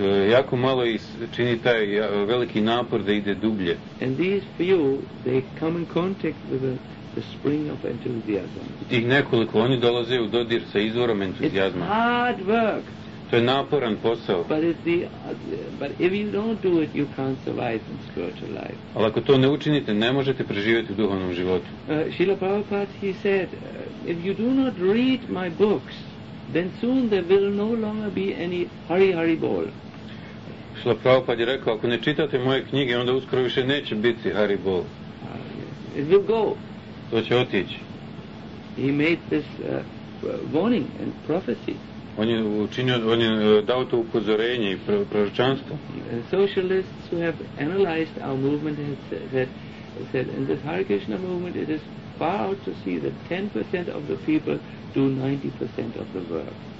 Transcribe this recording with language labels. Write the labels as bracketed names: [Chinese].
[Croatian] Jako malo čini taj veliki napor da ide dublje. [English] And these few, they come in contact with the spring of enthusiasm. [Croatian] Tih nekoliko, oni dolaze u dodir sa izvorom entuzijazma. [English] It's hard work. [Croatian] To je naporan posao. [English] But if you don't do it, you can't survive in spiritual life. [Croatian] Ali ako to ne učinite, ne možete preživjeti u duhovnom životu. [English] Srila Prabhupada, he said, if you do not read my books, then soon there will no longer be any Hari Hari Bol. [Croatian] Srila Prabhupada je rekao, ako ne čitate moje knjige, onda uskoro više neće biti Hari Bol. [English] It will go. [Croatian] To će otići. [English] He made this warning and prophecy. [Croatian] On je dao to upozorenje i proročanstvo. [English] Socialists who have analyzed our movement have said in this Hare Krishna movement it is far out to see that 10% of the people do 90% of the work.